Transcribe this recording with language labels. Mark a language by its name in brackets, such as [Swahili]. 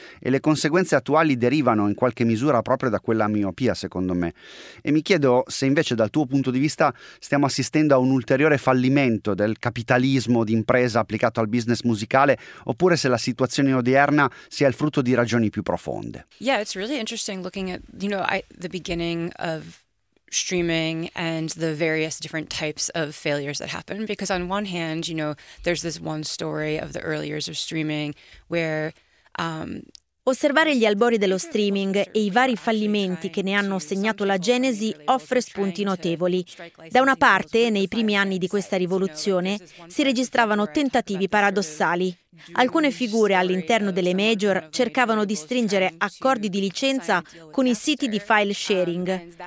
[Italian] E le conseguenze attuali derivano in qualche misura proprio da quella miopia, secondo me. E mi chiedo se invece dal tuo punto di vista stiamo assistendo a un ulteriore fallimento del capitalismo d'impresa applicato al business musicale, oppure se la situazione odierna sia il frutto di ragioni più profonde. [English] Yeah, it's really interesting looking at, you know, the beginning of streaming and the various different types of failures that happen. Because on one hand, you know, there's this one story of the early years of streaming where... [Italian] Osservare gli albori dello streaming e i vari fallimenti che ne hanno segnato la genesi offre spunti notevoli. Da una parte, nei primi anni di questa rivoluzione, si registravano tentativi paradossali. Alcune figure all'interno delle major cercavano di stringere accordi di licenza con i siti di file sharing.